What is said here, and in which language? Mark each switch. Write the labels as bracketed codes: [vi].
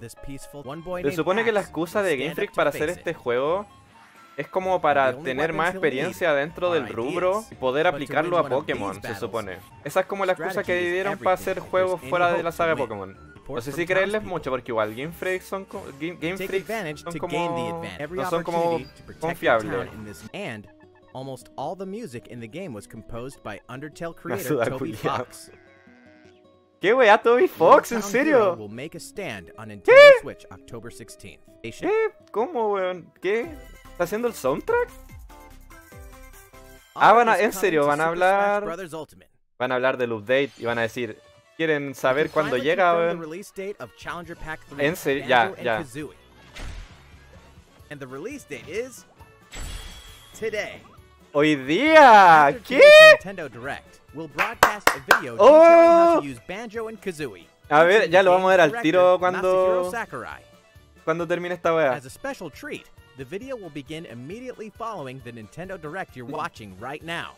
[es] Se supone que la excusa de Game Freak para hacer este juego es como para tener más experiencia dentro del rubro y poder aplicarlo a Pokémon, se supone. Esa es como la excusa que dieron para hacer juegos fuera de la saga de Pokémon. No sé si creerles mucho, porque igual Game Freak no son como confiables. [en] Almost all the music in the game was composed by Undertale creator Toby Fox. [es] ¿Qué wea, Toby Fox? ¿En serio? [en] Will make a stand on Nintendo Switch October 16th. [es] ¿Qué? ¿Cómo, weón? ¿Qué? ¿Está haciendo el soundtrack? Ah, van a, en serio, van a hablar del update y van a decir, ¿quieren saber cuándo llega, weón? En serio, ya. [en] And the release date is today. [es] Hoy día, ¿qué? [en] Nintendo Direct will broadcast a video showing how to use Banjo and Kazooie. [es] A ver, ya lo vamos a ver al tiro cuando termine esta wea. [en] As a special treat, the video will begin immediately following the Nintendo Direct you're watching right now.